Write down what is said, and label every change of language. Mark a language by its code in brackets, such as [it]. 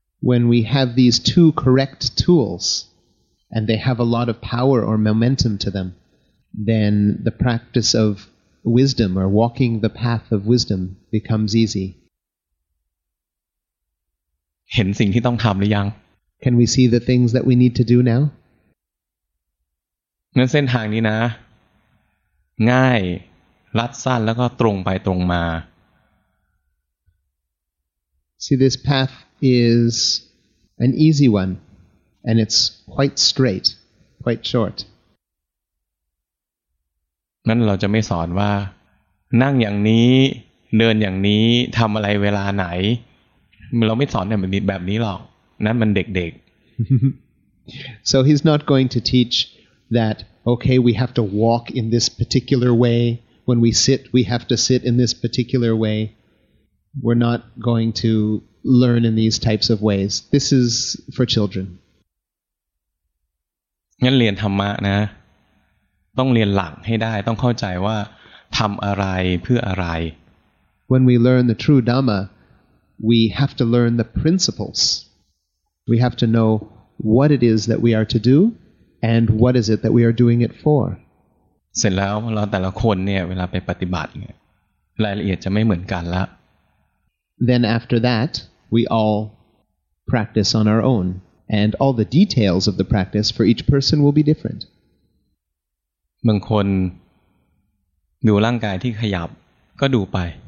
[en] When we have these two correct tools, and they have a lot of power or momentum to them, then the practice of wisdom or walking the path of wisdom becomes easy. [th] เห็นสิ่งที่ต้องทำหรือยัง [en] Can we see the things that we need to do now? [th] งั้นเส้นทางนี้นะง่ายลัดสั้นแล้วก็ตรงไปตรงมา [en] See this path is an easy one and it's quite straight, quite short. [th] งั้นเราจะไม่สอนว่านั่งอย่างนี้เดินอย่างนี้ทำอะไรเวลาไหนเราไม่สอนแบบนี้หรอกนั้นมันเด็ก [en] ๆ So he's not going to teach that okay we have to walk in this particular way when we have to sit in this particular way we're not going to learn in these types of ways this is for children [th] งั้นเรียนธรรมะนะต้องเรียนหลักให้ได้ต้องเข้าใจว่าทำอะไรเพื่ออะไร [en] When we learn the true Dhamma we have to learn the principles we have to know what it is that we are to do and what is it that we are doing it for [th] เสร็จแล้วเราแต่ละคนเนี่ยเวลาไปปฏิบัติเนี่ยรายละเอียดจะไม่เหมือนกันละ [en] Then after that we all practice on our own and all the details of the practice for each person will be different [th] บางคนดูร่างกายที่ขยับก็ดูไป